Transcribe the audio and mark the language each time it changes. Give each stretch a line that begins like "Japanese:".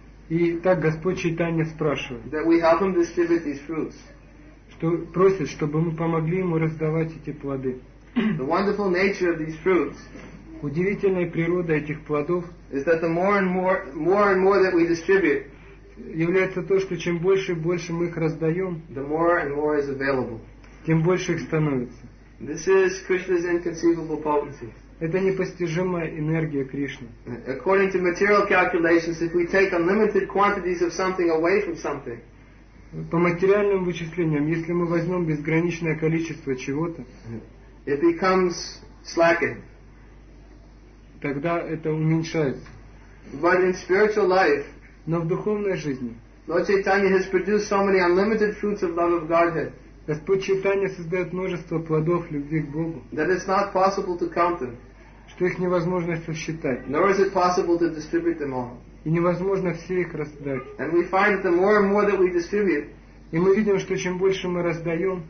Russian: И так Господь Чайтанья спрашивает.
English: That we help him distribute these fruits.
Russian: Что просит, чтобы мы помогли ему раздавать эти плоды.
English: The wonderful nature of these fruits.
Russian: Удивительная природа этих плодов.
English: Is that the more and more that we distribute.
Russian: Является то, что чем больше и больше мы их раздаем.
English: The more and more is available.
Russian: Тем больше их становится.
English: This is Krishna's inconceivable potency.
Russian: Это непостижимая энергия Кришны.
English: According to material calculations, if we take unlimited quantities of something away from something,
Russian: по материальным вычислениям, если мы возьмем безграничное количество чего-то,
English: it becomes slackened.
Russian: Тогда это уменьшается.
English: But in spiritual life,
Russian: но в духовной жизни,
English: Lord Chaitanya has produced so many unlimited fruits of love of Godhead.
Russian: Господь Чайтанья создает множество плодов любви к Богу.
English: That it's not possible to count them.
Russian: Что их невозможно сосчитать.
English: Nor is it possible to distribute them all.
Russian: И невозможно все их раздать.
English: And we find that the more and more that we distribute,
Russian: и мы видим, что чем больше мы раздаем,